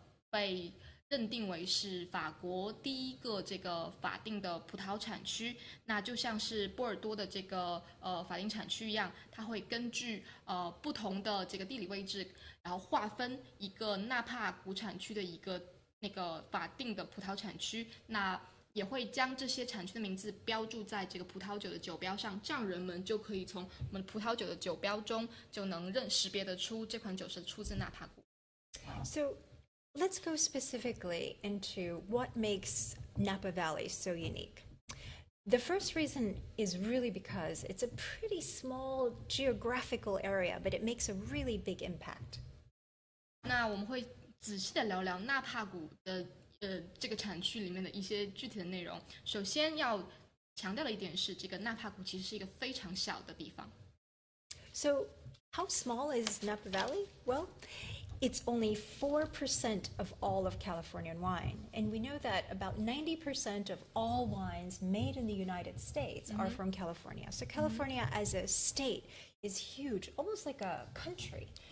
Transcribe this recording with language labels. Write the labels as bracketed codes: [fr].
[zh] 被认定为是法国第一个这个法定的葡萄产区，那就像是波尔多的这个法定产区一样，它会根据不同的这个地理位置，然后划分一个纳帕谷产区的一个 那个法定的葡萄产区，那也会将这些产区的名字标注在这个葡萄酒的酒标上，让人们就可以从我们葡萄酒的酒标中就能识别得出这款酒是出自纳帕谷。 [en] So let's go specifically into what makes Napa Valley so unique. The first reason is really because it's a pretty small geographical area, but it makes a really big impact. [zh] 那我们会 仔细地聊聊纳帕谷的这个产区里面的一些具体的内容。首先要强调的一点是，这个纳帕谷其实是一个非常小的地方。 [en] So how small is Napa Valley? Well, it's only 4% of all of Californian wine. And we know that about 90% of all wines made in the United States are from California. So California as a state is huge, almost like a country.